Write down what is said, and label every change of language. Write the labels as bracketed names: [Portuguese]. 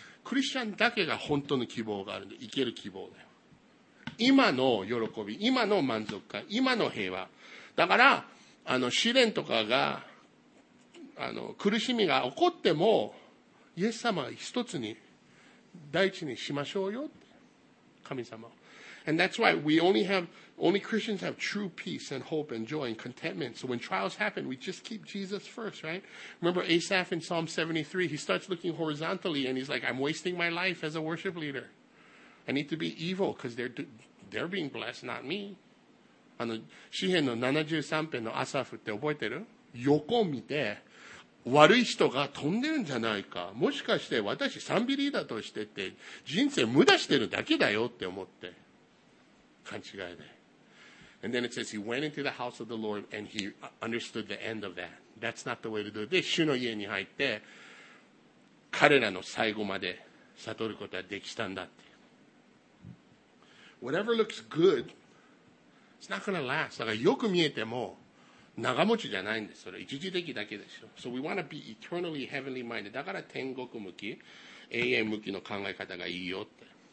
[Japanese] クリスチャンだけが本当の希望があるんで、生ける希望だよ。今の喜び、今の満足感、今の平和。だから、試練とかが、苦しみが起こっても、イエス様を一つに、第一にしましょうよって。神様を。 [English] And that's why we only have, only Christians have true peace and hope and joy and contentment. So when trials happen, we just keep Jesus first, right? Remember Asaph in Psalm 73, he starts looking horizontally and he's like, I'm wasting my life as a worship leader. I need to be evil because they're being blessed, not me. [Japanese] 詩編の73編のアサフって覚えてる？横を見て悪い人が飛んでるんじゃないか。もしかして私賛美リーダーとしてって人生無駄してるだけだよって思って勘違いで。 [English] And then it says he went into the house of the Lord and he understood the end of that. That's not the way to do it. [Japanese] で、主の家に入って彼らの最後まで悟ることができたんだって。 [English] Whatever looks good, it's not going to last. [Japanese] だからよく見えても長持ちじゃないんです。それ一時的だけでしょ。 [English] So we want to be eternally heavenly minded. [Japanese] だから天国向き、永遠向きの考え方がいいよって。